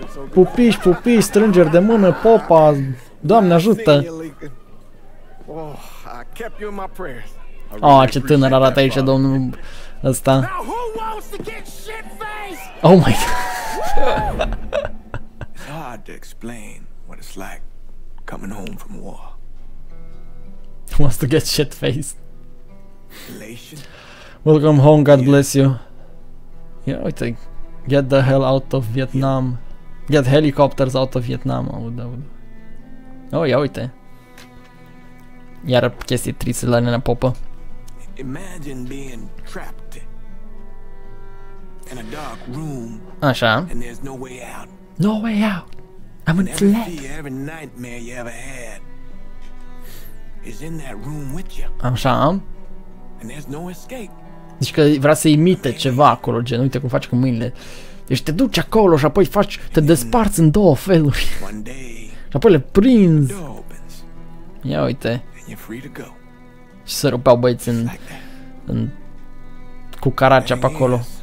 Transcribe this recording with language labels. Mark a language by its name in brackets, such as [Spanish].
[Romanian] Pupiș, pupiș, strângeri de mână, popa. Doamne ajută. [English] Oh, I kept you in my prayers. [Romanian] Oh, ce tânăr arată aici, domnul ăsta. [English] Oh my god. Hard to explain what it's like coming home from war. Who wants to get shit faced? Welcome home, God bless you. Yeah, uite. Get the hell out of Vietnam. Get helicopters out of Vietnam. Oh, [Romanian] ia uite. Iar chestii triste la nenea popă. [English] Imagine being trapped in a dark room. [Romanian] Așa. [English] And there's no way out. No way out. I'm in flat. Every nightmare you ever had is in that room with you. [Romanian] Așa. [English] And there's no escape. [Romanian] Deci că vrea să imite ceva acolo, gen, uite cum faci cu mâinile. Deci te duci acolo și apoi faci, te desparți în două feluri. [English] One day. [Romanian] Și apoi le prinzi. Ia uite. [English] And you're free to go. [Romanian] Și se rupeau băieți în, în cucaracea pe acolo.